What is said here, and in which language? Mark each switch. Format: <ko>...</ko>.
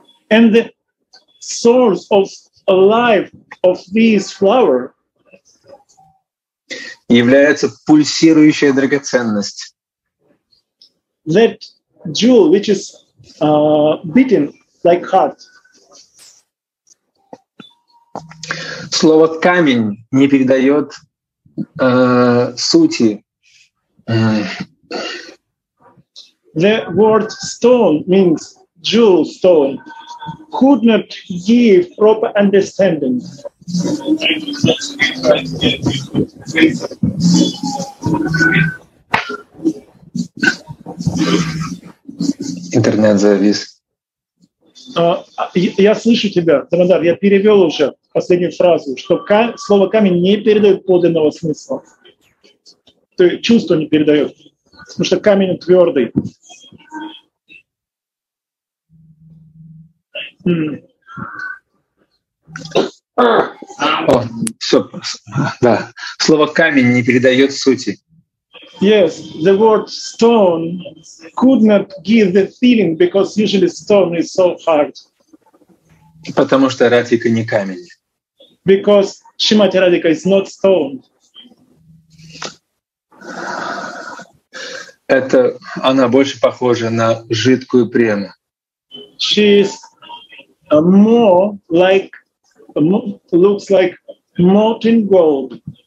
<en>and the source of life of this flower</en> <ru>является пульсирующая драгоценность.</ru> <en>That jewel which is beating like heart.</en> <ru>Слово камень не передает сути.</ru> <en>The word stone means jewel stone could not give proper understanding.</en> <ru>Интернет завис. Я слышу тебя, Тамадар, я перевел уже последнюю фразу, что слово камень не передает подлинного смысла. То есть чувство не передает, потому что камень твердый. О, все, да. Слово камень не передает сути.</ru> <en>Yes, the word stone could not give the feeling because usually stone is so hard.</en> <ru>Потому что Радика не камень.</ru> <en>Because Шримати Радика is not stone.</en> <ru>Это она больше похожа на жидкую прему.</ru> <en>She is more like looks like molten gold.</en>